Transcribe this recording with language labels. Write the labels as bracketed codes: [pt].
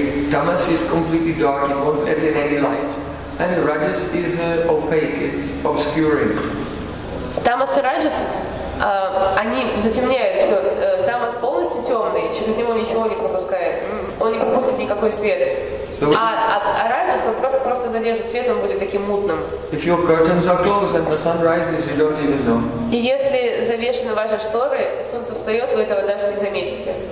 [en] Tamas is completely dark, it won't let in any light. And rajas is opaque, it's obscuring. [ru] Tamas и rajas, они затемняют все. Tamas полностью темный, через него ничего не пропускает. Он не пропустит никакой свет. So, а rajas, он просто задержит свет, он будет таким мутным. [en] If your curtains are closed and the sun rises, you don't even know. [ru] И если завешены ваши шторы, солнце встает, вы этого даже не заметите.